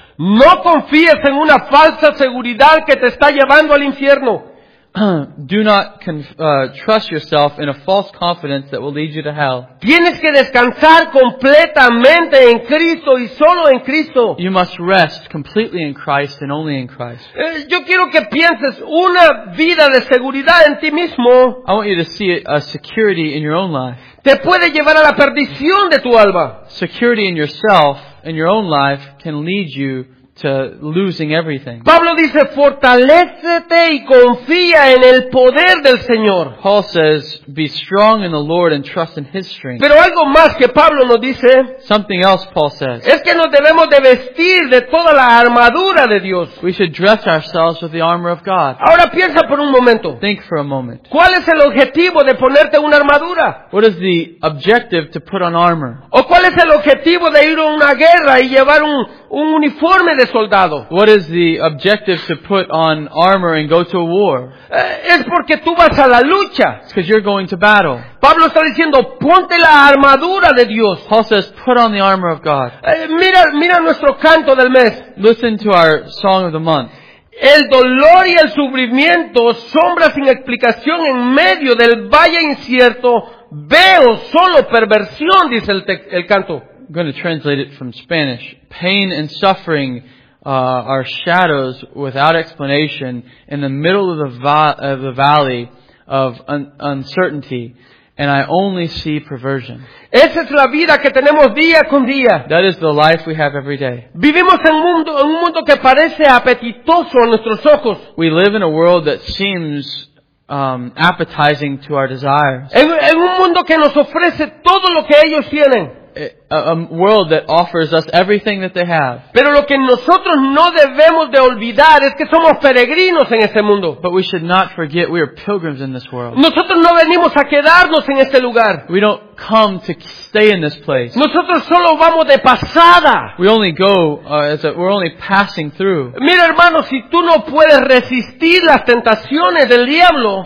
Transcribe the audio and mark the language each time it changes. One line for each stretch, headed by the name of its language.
Spanish: No confíes en una falsa seguridad que te está llevando al infierno.
English: Do not trust yourself in a false confidence that will lead you to hell.
Spanish: Tienes que descansar completamente en Cristo y solo en Cristo.
English: You must rest completely in Christ and only in Christ.
Spanish: Yo quiero que pienses una vida de seguridad en ti mismo.
English: I want you to see a security in your own life.
Spanish: Te puede llevar a la perdición de tu alma.
English: Security in yourself and your own life can lead you to losing everything.
Spanish: Pablo dice, fortalécete y confía en el poder del Señor.
English: Paul says, be strong in the Lord and trust in His strength.
Spanish: Pero algo más que Pablo nos dice,
English: something else Paul says,
Spanish: es que nos debemos de vestir de toda la armadura de Dios.
English: We should dress ourselves with the armor of God.
Spanish: Ahora piensa por un momento.
English: Think for a moment.
Spanish: ¿Cuál es el objetivo de ponerte una armadura?
English: What is the objective to put on armor?
Spanish: ¿O cuál es el objetivo de ir a una guerra y llevar un uniforme de soldado?
English: What is the objective to put on armor and go to a war?
Spanish: Es porque tú vas a la lucha.
English: It's because you're going to battle.
Spanish: Pablo está diciendo, ponte la armadura de Dios.
English: Paul says, put on the armor of God.
Spanish: Mira nuestro canto del mes.
English: Listen to our song of the month.
Spanish: El dolor y el sufrimiento, sombra sin explicación en medio del valle incierto, veo solo perversión, dice el canto.
English: I'm going to translate it from Spanish. Pain and suffering are shadows without explanation in the middle of the valley of uncertainty, and I only see perversion.
Spanish: Esa es la vida que tenemos día con día.
English: That is the life we have every day.
Spanish: Vivimos en un mundo que parece apetitoso a nuestros ojos.
English: We live in a world that seems appetizing to our desires.
Spanish: En un mundo que nos ofrece todo lo que ellos tienen.
English: A world that offers us everything that they have.
Spanish: Pero lo que nosotros no debemos de olvidar es que somos peregrinos en este mundo.
English: But we should not forget we are pilgrims in this world.
Spanish: Nosotros no venimos a quedarnos en este lugar.
English: We don't come to stay in this place.
Spanish: Nosotros solo vamos de pasada.
English: We only go we're only passing through.
Spanish: Mira, hermano, si tú no puedes resistir las tentaciones del diablo,